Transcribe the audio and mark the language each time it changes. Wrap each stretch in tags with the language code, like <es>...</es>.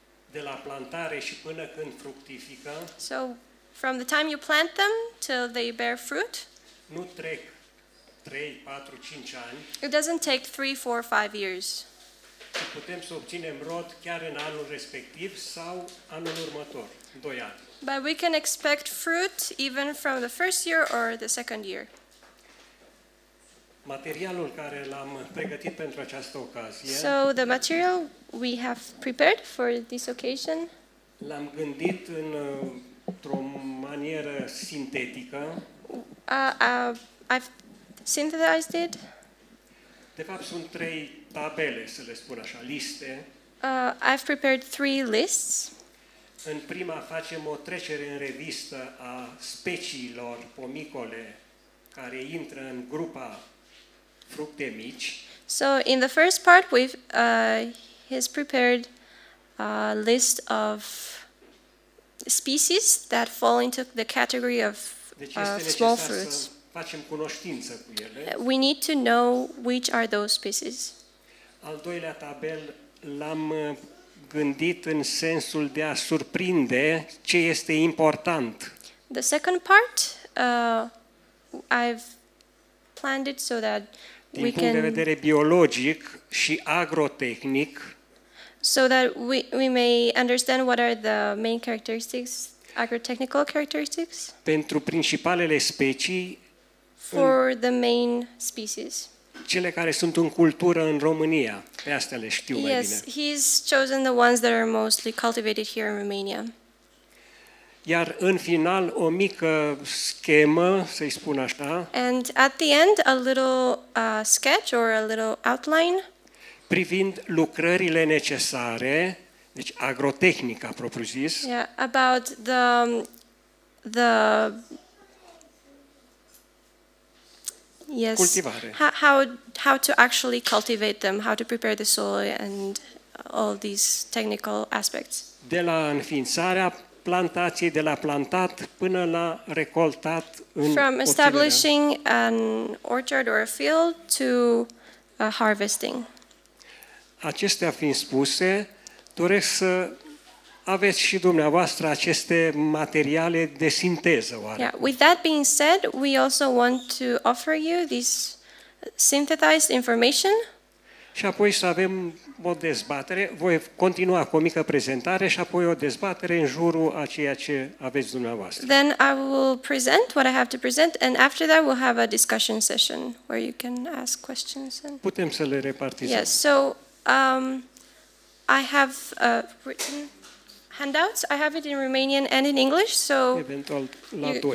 <ro>De la plantare și până când fructifică.</ro> <en>So from the time you plant them till they bear fruit,</en> <ro>nu trec 3, 4, 5 ani,</ro> <en>it doesn't take 3, 4, 5 years.</en> <ro>Și putem să obținem rod chiar în anul respectiv sau anul următor, 2 ani.</ro> <en>But we can expect fruit even from the first year or the second year.</en> <ro>Materialul care l-am pregătit pentru această ocazie.</ro> <en>So the material we have prepared for this occasion.</en> <ro>L-am gândit în într-o manieră sintetică.</ro> <en>I've synthesized it.</en> <ro>De fapt, sunt trei tabele, să le spun așa, liste.</ro> <en>I've prepared three lists.</en> <ro>În prima facem o trecere în revistă a speciilor pomicole care intră în grupa fructe mici.</ro> <en>So, in the first part, he's prepared a list of species that fall into the category of small fruits.</en> <ro>Deci este necesar facem cunoștință cu ele.</ro> <en>We need to know which are those species.</en> <ro>Al doilea tabel l-am gândit în sensul de a surprinde ce este important.</ro> <en>The second part, I've planned it so that</en> <ro>din punct de vedere biologic și agrotehnic,</ro> <en>so that we may understand what are the main characteristics, agrotechnical characteristics,</en> <ro>pentru principalele specii,</ro> <en>for the main species,</en> <ro>cele care sunt în cultură în România, pe astea le știu</ro> <en>yes,</en> <ro>mai bine.</ro> <en>Yes, he's chosen the ones that are mostly cultivated here in Romania.</en> <ro>Iar în final o mică schemă, să-i spun așa.</ro> <en>And at the end a little sketch or a little outline.</en> <ro>Privind lucrările necesare, deci agrotehnica propriu-zis.</ro> <en>Yeah, about the yes.</en> <ro>Cultivare.</ro> <en>How to actually cultivate them, how to prepare the soil and all these technical aspects.</en> <ro>De la înființarea plantației, de la plantat până la recoltat în</ro> <en>from establishing an orchard or a field to harvesting.</en> <ro>Acestea fiind spuse, doresc să aveți și dumneavoastră aceste materiale de sinteză, oare?</ro> <en>Yeah, with that being said, we also want to offer you this synthesized information.</en> <ro>Și apoi să avem o dezbatere, voi continua cu o mică prezentare și apoi o dezbatere în jurul a ceea ce aveți dumneavoastră.</ro> <en>Then I will present what I have to present and after that we'll have a discussion session where you can ask questions. And</en> <ro>putem să le repartizăm.</ro> <en>Yes, so I have written handouts. I have it in Romanian and in English, so</en> <ro>eventual, la doi,</ro>